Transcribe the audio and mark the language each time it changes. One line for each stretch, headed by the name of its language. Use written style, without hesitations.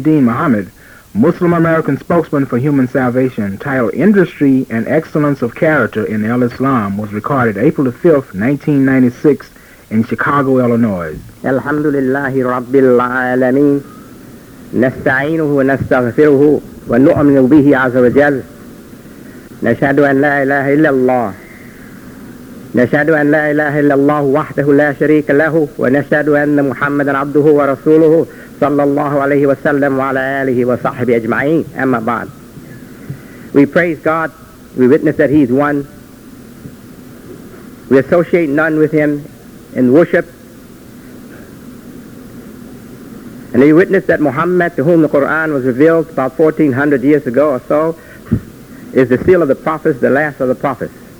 English: Dean Muhammad, Muslim American spokesman for human salvation, titled Industry and Excellence of Character in Al-Islam, was recorded April 5, 1996, in Chicago, Illinois. Alhamdulillahi Rabbil Alameen.
Arabic: نستعينه ونستغفره ونؤمن به عز وجل نشهد أن لا إله إلا الله نشهد أن لا إله إلا الله وحده لا شريك له ونشهد أن محمدا عبده ورسوله صلى الله عليه وسلم وعلى آله وصحبه أجمعين أما بعد.
English: We praise God, we witness that He is one, we associate none with Him in worship, and he witnessed that Muhammad, to whom the Quran was revealed about 1400 years ago or so, is the seal of the prophets, the last of the prophets.